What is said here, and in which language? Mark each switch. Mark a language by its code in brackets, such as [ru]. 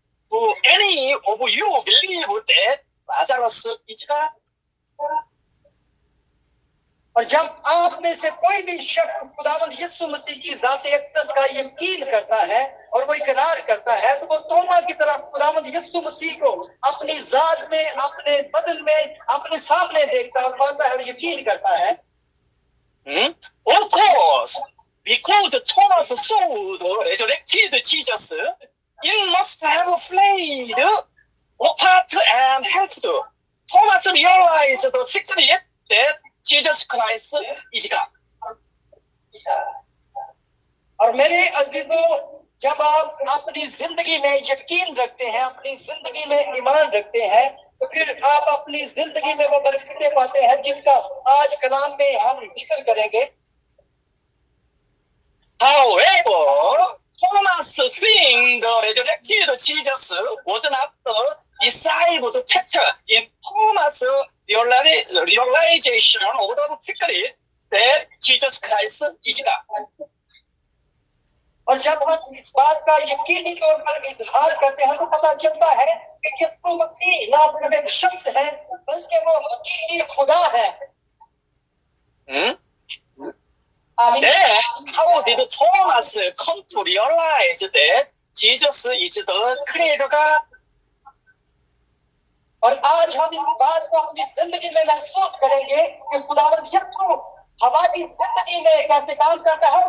[en] Do any of you believe that Lazarus is God? [hi] और जब आप में से कोई भी शख्स खुदावंद यीशु मसीह की जाते अक्तस का यकीन करता है और वो इकरार करता है तो वो तोमा की तरह खुदावंद यीशु मसीह को अपनी जात में अपने बदन में अपने सामने देखता और पाता है और यकीन करता है. [en] Of course, because Thomas saw the resurrected Jesus, he must have played a part and helped Thomas realize the secret that Jesus Christ is God. [hi] और मेरे अजीजों जब आप अपनी जिंदगी में यकीन रखते हैं अपनी जिंदगी में ईमान रखते हैं तो फिर आप अपनी जिंदगी में वो बरकतें पाते हैं जिनका आज कलाम में हम जिक्र करेंगे. [en] However, Thomas seeing the resurrected Jesus was not the decisive factor in Thomas' realization of the secret that Jesus Christ is God. [hi] और जब हम इस बात का यकीनी तौर पर इजहार करते हैं तो पता चलता है कि यीशु मसीह ना सिर्फ एक शख्स है बल्कि वो हकीकी खुदा है. [en] How did Thomas come to realize that Jesus is the Creator God? [hi] और आज हम इस बात को अपनी जिंदगी में महसूस करेंगे कि खुदावंद यीशु हमारी जिंदगी में कैसे काम करता है.